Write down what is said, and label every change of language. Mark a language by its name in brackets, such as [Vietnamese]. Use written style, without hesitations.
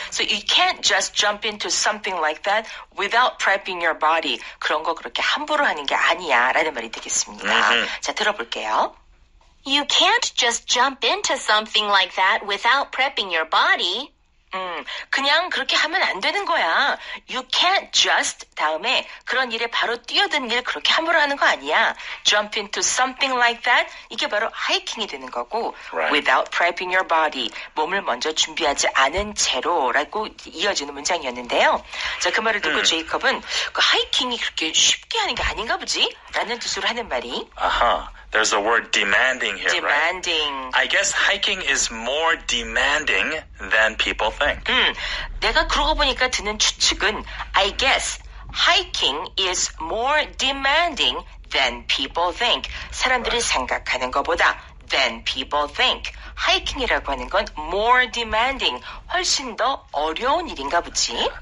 [English] So you can't just jump into something like that without prepping your body. [Korean] 그런 거 그렇게 함부로 하는 게 아니야 라는 말이 되겠습니다. Mm-hmm. 자, 들어볼게요. [English] You can't just jump into something like that without prepping your body. [Korean] 그냥 그렇게 하면 안 되는 거야. [English] You can't just [Korean] 다음에 그런 일에 바로 뛰어든 일 그렇게 함부로 하는 거 아니야. [English] Jump into something like that [Korean] 이게 바로 하이킹이 되는 거고 [English] right. without prepping your body [Korean] 몸을 먼저 준비하지 않은 채로라고 이어지는 문장이었는데요. 자, 그 말을 듣고 제이콥은 그 하이킹이 그렇게 쉽게 하는 게 아닌가 보지? 라는 뜻으로 하는 말이 [English] 아하 There's a word demanding here, demanding. right? I guess hiking is more demanding than people think. [Korean] 내가 그러고 보니까 드는 추측은 [English] I guess hiking is more demanding than people think. [Korean] 사람들이 [English] right. [Korean] 생각하는 것보다 [English] than people think. [Korean] Hiking이라고 하는 건 [English] more demanding, [Korean] 훨씬 더 어려운 일인가 보지.